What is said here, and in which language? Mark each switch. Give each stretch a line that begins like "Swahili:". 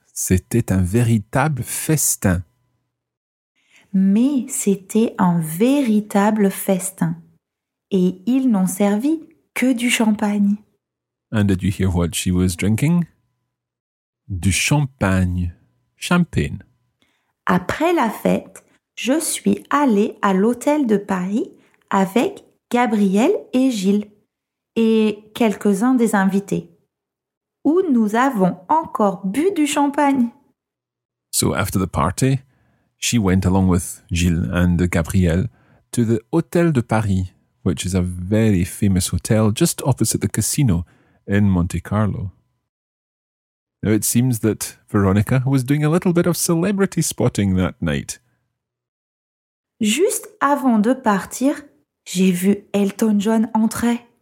French: C'était un véritable festin. Mais c'était un véritable festin. Et ils n'ont servi que du champagne.
English: And did you hear what she was drinking?
French: Du champagne. Champagne. Après la fête, je suis allée à l'hôtel de Paris avec Gabriel et Gilles et quelques-uns des invités. Où nous avons encore bu du champagne.
English: So after the party, she went along with Gilles and Gabrielle to the Hôtel de Paris, which is a very famous hotel just opposite the casino in Monte Carlo. Now it seems that Veronica was doing a little bit of celebrity spotting that night.
French: Juste avant de partir, j'ai vu Elton John entrer.